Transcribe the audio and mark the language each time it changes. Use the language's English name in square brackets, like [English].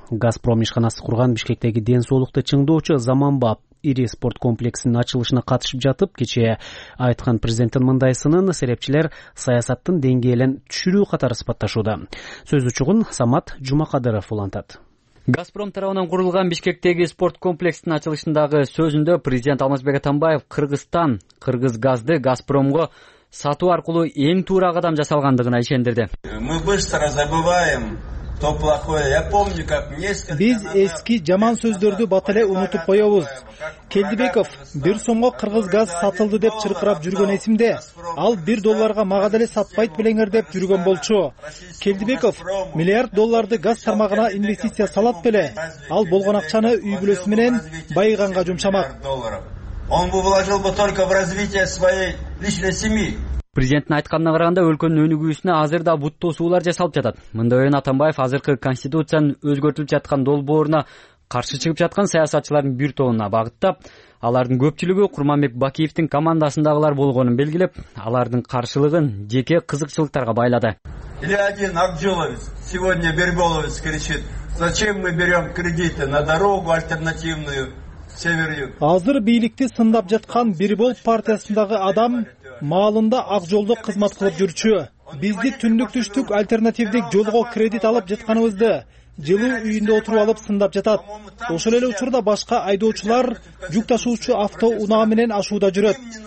[Kyrgyz] Газпром ишканасы курган Бишкектеги ден соолукту чыңдоочу заманбап ири спорт комплексинин ачылышына катышып жатып, кечээ айткан президенттин мындайсынын серепчилер саясаттын деңгээлин түшүрүү катары сыпатташууда. Сөз учугун Самат Жумакадыров улантат. Газпром тарабынан курулган Бишкектеги спорт комплексинин ачылышындагы сөзүндө президент Алмазбек Атамбаев Кыргызстан кыргыз газды Газпромго сатуу аркылуу эң туура кадам жасалгандыгына ишендирди. [Russian] Мы быстро забываем то плохое. Я помню, как несколько. [Kyrgyz] Биз эски жаман сөздөрдү бата эле унутуп коебуз. Келдибеков 1 сомго кыргыз газ сатылды деп чыркырап жүргөн эсимде. Ал 1 долларга мага деле сатпайт белеңер деп жүргөн болчу. Келдибеков миллиард долларды газ тармагына инвестиция салат беле. Ал болгон акчаны үй бүлөсү менен байыганга жумшамак. [Russian] Он бы вложил бы только в развитие своей личной семьи. [Kyrgyz] Президенттин айтканына караганда өлкөнүн өнүгүүсүнө азыр да буттоосуулар жасалып жатат. Мындай менен Атамбаев азыркы конституциянын өзгөртүлүп жаткан долбооруна каршы чыгып жаткан саясатчылардын бир тобуна багыттап, алардын көпчүлүгү Курманбек Бакиевдин командасындагылар болгонун белгилеп, алардын каршылыгын жеке кызыкчылыктарга байлады. [Russian] Или один Акжиловец сегодня Берболовец кричит: зачем мы берем кредиты на дорогу альтернативную север юг? [Kyrgyz] Азыр бийликти сындап жаткан Бирбол партиясындагы адам маалында ак жолдо кызмат кылып жүрчү. Бизди түндүк түштүк альтернативдик жолго кредит алып жатканыбызды жылуу үйүндө отуруп алып сындап жатат. Ошол эле учурда башка айдоочулар жүк ташуучу авто унаа менен ашууда жүрөт.